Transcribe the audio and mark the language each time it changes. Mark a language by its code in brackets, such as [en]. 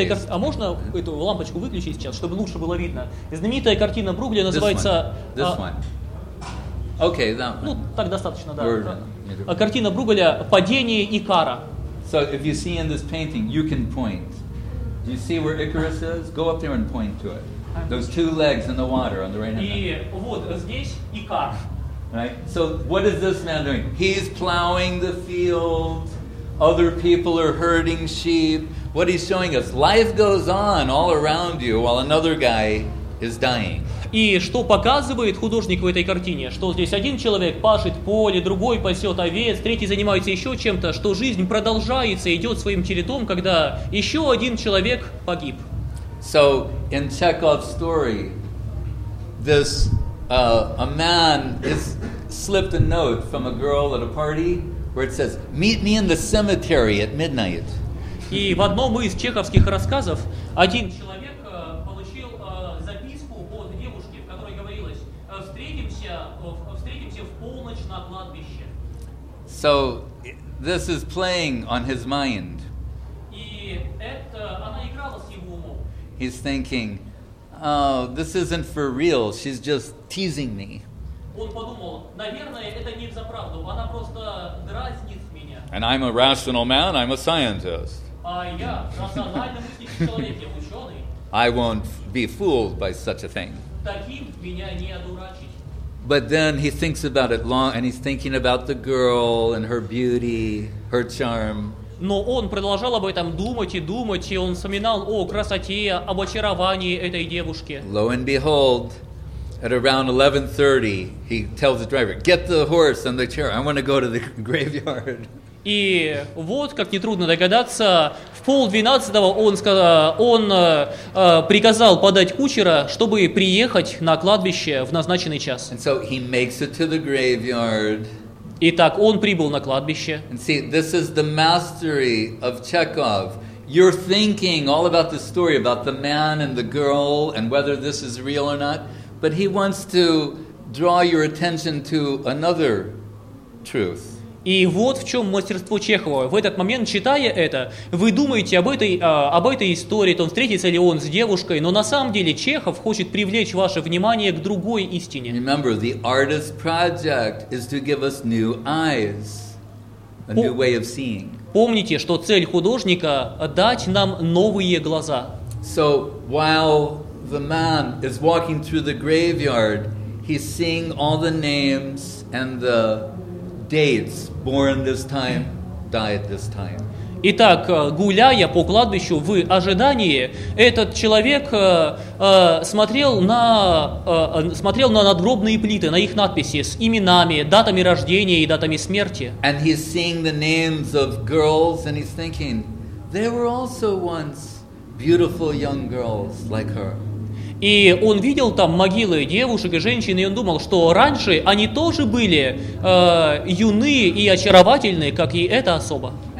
[ru] А можно эту лампочку выключить сейчас, чтобы лучше было видно? Знаменитая картина Бругля называется. [en] Okay, that one. [ru] Ну, так достаточно, да. А картина Бругля "Падение Икара". [en] So if you see in this painting, you can point. Do you see where Icarus is? Go up there and point to it. Those two legs in the water on the right hand. [ru] И вот здесь Икар. [en] Right. So what is this man doing? He's plowing the field. Other people are herding sheep. What he's showing us, life goes on all around you while another guy is dying. [ru] И что показывает художник в этой картине? Что здесь один человек пашет поле, другой пасет овец, третий занимается еще чем-то, что жизнь продолжается, идет своим чередом, когда еще один человек погиб. [en] So in Chekhov's story, this a man is slipped a note from a girl at a party where it says, "Meet me in the cemetery at midnight." [ru] И в одном из чеховских рассказов один человек получил записку от девушки, в которой говорилось, встретимся в полночь на кладбище. [en] So this is playing on his mind. [ru] И это она играла с его умом. [en] He's thinking, "Oh, this isn't for real. She's just teasing me." [ru] Он подумал, наверное, это не взаправду. Она просто дразнит меня. [en] And I'm a rational man. I'm a scientist. [ru] А я рациональный человек, я ученый. [en] I won't be fooled by such a thing. [ru] Таким меня не одурачить. [en] But then he thinks about it long, and he's thinking about the girl and her beauty, her charm. [ru] Но он продолжал об этом думать и думать, и он вспоминал о красоте, об очаровании этой девушки. [en] Lo and behold, at around 11:30, he tells the driver, "Get the horse and the chair. I want to go to the graveyard." [ru] И вот, как нетрудно догадаться, в 11:30 он сказал, он приказал подать кучера, чтобы приехать на кладбище в назначенный час. [en] And so he makes it to the graveyard. [ru] Итак, он прибыл на кладбище. [en] And see, this is the mastery of Chekhov. You're thinking all about the story, about the man and the girl, and whether this is real or not. But he wants to draw your attention to another truth. [ru] И вот в чем мастерство Чехова. В этот момент, читая это, вы думаете об этой истории, то встретится ли он с девушкой, но на самом деле Чехов хочет привлечь ваше внимание к другой истине. [en] Remember, the artist's project is to give us new eyes, a new way of seeing. [ru] Помните, что цель художника – дать нам новые глаза. [en] So, while the man is walking through the graveyard, he's seeing all the names and the dates, born this time, died this time. [ru] Итак, гуляя по кладбищу в ожидании, этот человек смотрел на надгробные плиты, на их надписи с именами, датами рождения и датами смерти. [en] And he's seeing the names of girls, and he's thinking, they were also once beautiful young girls like her. [ru] И он видел там могилы девушек и женщин, и он думал, что раньше они тоже были юны и очаровательны, как и эта особа.